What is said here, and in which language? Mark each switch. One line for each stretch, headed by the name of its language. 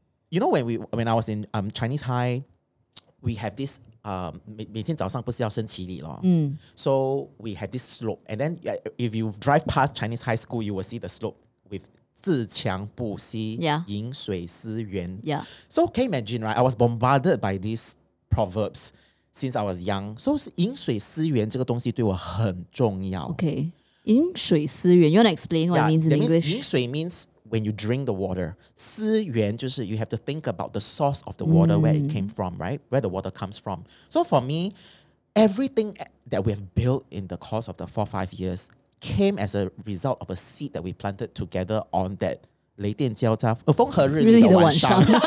English: you know, when I was in Chinese High, we have this
Chinese: 每天早上不是要升旗礼咯. Mm.
English: So we have this slope, and then if you drive past Chinese High School, you will see the slope with
Chinese: 自强不息，饮水思源.
English: Yeah. So can you imagine, right? I was bombarded by these proverbs since I was young.
Chinese: So 饮水思源这个东西对我很重要.
English: Okay.
Chinese: 饮水思源,
English: you want to explain what it means in English?
Chinese: 饮水
English: means when you drink the water.
Chinese: 思源就是
English: you have to think about the source of the water, where it came from, right? Where the water comes from. So for me, everything that we have built in the course of the 4 or 5 years came as a result of a seed that we planted together on that
Chinese: 雷电交加风和日丽的晚上.